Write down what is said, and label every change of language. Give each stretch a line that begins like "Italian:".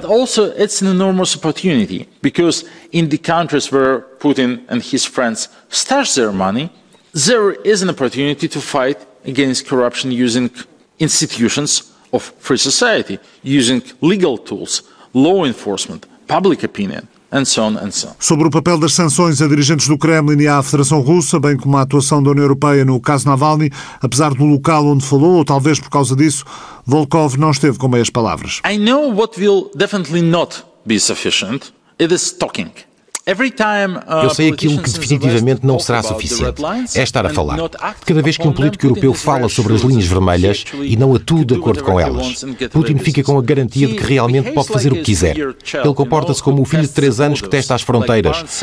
Portuguese: Mas também é uma enorme oportunidade, porque nos países onde Putin e seus amigos estão seu dinheiro, há uma oportunidade de lutar contra a corrupção usando instituições da sociedade livre, usando
English: tools legal, law enforcement, public opinion.
Portuguese: Sobre o papel das sanções a dirigentes do Kremlin e à Federação Russa, bem como a atuação da União Europeia no caso Navalny, apesar do local onde falou, ou talvez por causa disso, Volkov não esteve com meias palavras.
English: I know what will definitely not be sufficient. It is talking.
Portuguese: Eu sei aquilo que definitivamente não será suficiente. É estar a falar. Cada vez que um político europeu fala sobre as linhas vermelhas e não atua de acordo com elas, Putin fica com a garantia de que realmente pode fazer o que quiser. Ele comporta-se como o filho de 3 anos que testa as fronteiras.